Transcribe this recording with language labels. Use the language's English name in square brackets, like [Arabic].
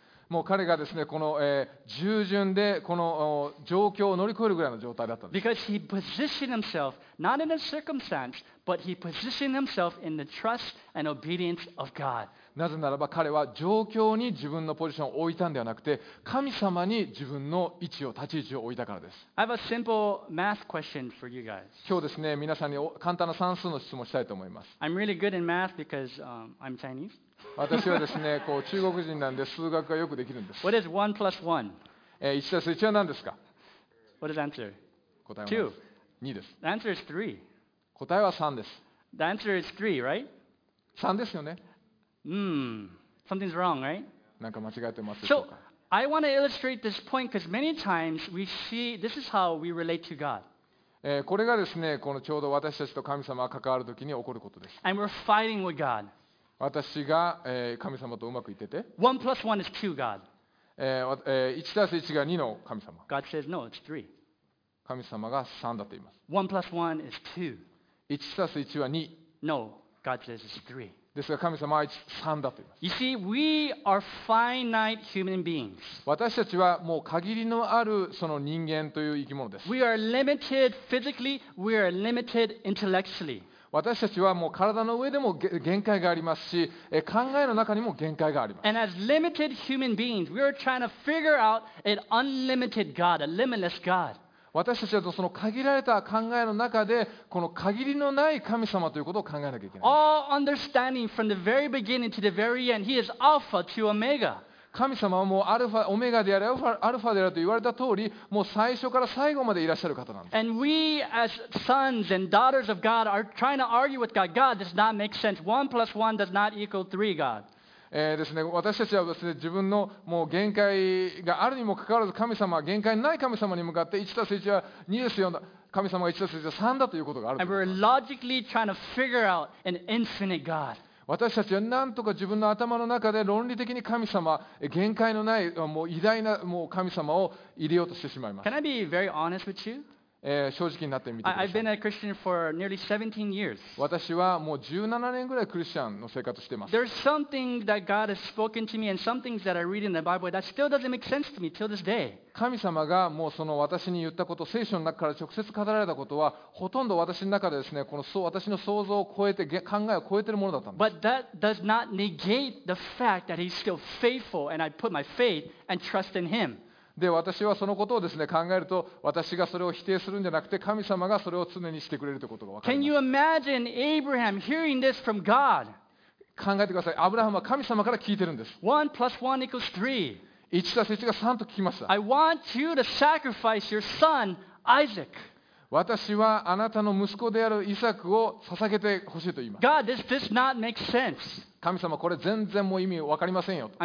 [Japanese] もう彼がですね、この従順でこの状況を乗り越えるぐらいの状態だったんです。 [English] Because he positioned himself not in a circumstance. But he positioned himself in the trust and obedience of God. [Japanese] なぜならば彼は状況に自分のポジションを置いたんではなくて、神様に自分の位置を立ち位置を置いたからです。 [English] I have a simple math question for you guys. [Japanese] 今日ですね、皆さんに簡単な算数の質問したいと思います。 [English] I'm really good in math because I'm Chinese. [Japanese] 私はですね、こう中国人なんで数学がよくできるんです。 [English] What is 1 plus 1? [Japanese] 1たす1は何ですか [English] ？What is answer? [Japanese] 答えは2です。 [English] The answer is 3. [Japanese] 答えは3です。 [English] The answer is 3, right? [Japanese] 3ですよね。 [English] Something's wrong, right? [Japanese] なんか間違えてますでしょうか。 [English] So, I want to illustrate this point because many times we see this is how we relate to God. [Japanese] これがですね、このちょうど私たちと神様が関わるときに起こることです。 [English] And we're fighting with God. [Japanese] 私が、神様とうまくいってて。 [English] 1 plus 1 is 2, God. [Japanese] 1たす1が2の神様。 [English] God says, no, it's 3. [Japanese] 神様が3だと言います。 [English] 1 plus 1 is 2. [Japanese] 1たす1は2。 [English] No, God says it's 3. [Japanese] ですが神様は3だと言います。 [English] You see, we are finite human beings. [Japanese] 私たちはもう限りのあるその人間という生き物です。 [English] We are limited physically, we are limited intellectually. [Japanese] 私たちはもう体の上でも限界がありますし、考えの中にも限界があります。 [English] And as limited human beings, we are trying to figure out an unlimited God, a limitless God. [Japanese] 私たちはその限られた考えの中でこの限りのない神様ということを考えなきゃいけない。 [English] All understanding from the very beginning to the very end, He is Alpha to Omega. [Japanese] 神様はもうアルファ、オメガであれ、アルファであれと言われた通り、もう最初から最後までいらっしゃる方なんです。 [English] And we as sons and daughters of God are trying to argue with God. God does not make sense. One plus one does not equal three, God. [Japanese] ですね、私たちはですね、自分のもう限界があるにもかかわらず、神様、限界ない神様に向かって、1たす1は2ですよ、神様が1たす1は3だということがあると思います。 [English] And we're logically trying to figure out an infinite God. [Japanese] 私たちはなんとか自分の頭の中で論理的に神様、限界のないもう偉大なもう神様を入れようとしてしまいます。 [English] Can I be very honest with you? [Japanese] 正直になってみてください。 [English] I've been a Christian for nearly 17 years. [Japanese] 私はもう17年ぐらいクリスチャンの生活をしています。 [English] There's something that God has spoken to me and some things that I read in the Bible that still doesn't make sense to me till this day. [Japanese] 神様がもうその私に言ったこと、聖書の中から直接語られたことは、ほとんど私の中でですね、この私の想像を超えて、考えを超えているものだったんです。 [English] But that does not negate the fact that He's still faithful and I put my faith and trust in Him. [Japanese] で私はそのことをですね考えると私がそれを否定するんじゃなくて神様がそれを常にしてくれるということが分かります。 [English] Can you imagine Abraham hearing this from God? [Japanese] 考えてください。アブラハムは神様から聞いてるんです。 [English] One plus one equals three. [Japanese] 1たす1が3と聞きました。 [English] I want you to sacrifice your son, Isaac. [Japanese] 私はあなたの息子であるイサクを捧げてほしいと言います。 [English] God, this does not make sense. [Japanese] 神様これ全然もう意味分かりませんよと。